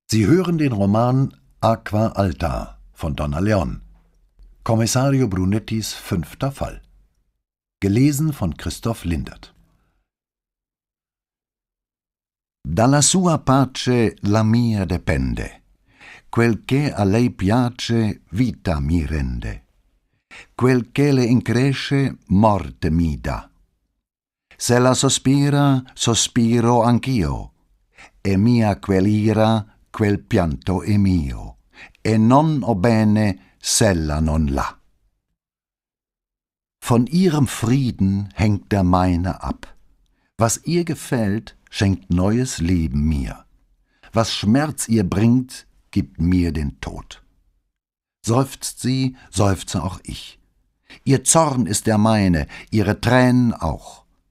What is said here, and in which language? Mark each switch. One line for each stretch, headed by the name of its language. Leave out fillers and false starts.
German: Sie hören den Roman Acqua Alta von Donna Leon. Kommissario Brunettis fünfter Fall. Gelesen von Christoph Lindert.
Italian: Dalla sua pace la mia depende. Quel che a lei piace, vita mi rende. Quel che le incresce, morte mi dà. Se la sospira, sospiro anch'io. E mia quell'ira, quel pianto è mio. E non ho bene, s'ella non l'ha.
German: Von ihrem Frieden hängt der meine ab. Was ihr gefällt, schenkt neues Leben mir. Was Schmerz ihr bringt, gibt mir den Tod. Seufzt sie, seufze auch ich. Ihr Zorn ist der meine, ihre Tränen auch.